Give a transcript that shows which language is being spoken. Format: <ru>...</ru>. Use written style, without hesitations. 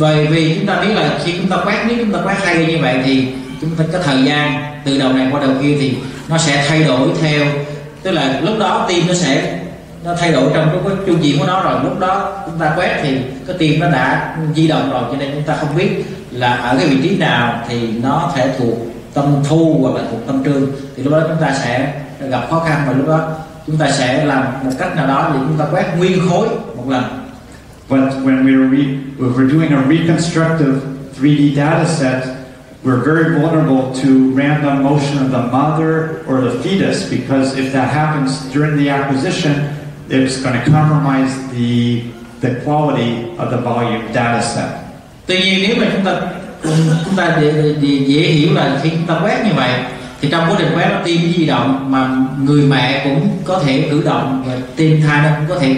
<vi>Vì chúng ta biết là khi chúng ta quét hai như vậy thì chúng ta có thời gian từ đầu này qua đầu kia thì nó sẽ thay đổi theo, tức là lúc đó tim nó thay đổi trong cái chu kỳ của nó rồi, lúc đó chúng ta quét thì cái tim nó đã di động rồi, cho nên chúng ta không biết là ở cái vị trí nào thì nó thể thuộc tâm thu hoặc là thuộc tâm trương, thì lúc đó chúng ta sẽ gặp khó khăn và lúc đó chúng ta sẽ làm một cách nào đó để chúng ta quét nguyên khối một lần.</vi> <en>But when we're doing a reconstructive 3D data set, we're very vulnerable to random motion of the mother or the fetus, because if that happens during the acquisition, it's going to compromise the quality of the volume data set.</en> <vi>Tuy nhiên nếu mà chúng ta dễ hiểu là khi chúng ta quét như vậy thì trong quá trình quét tim di động mà người mẹ cũng có thể cử động và tim thai nó cũng có thể</vi>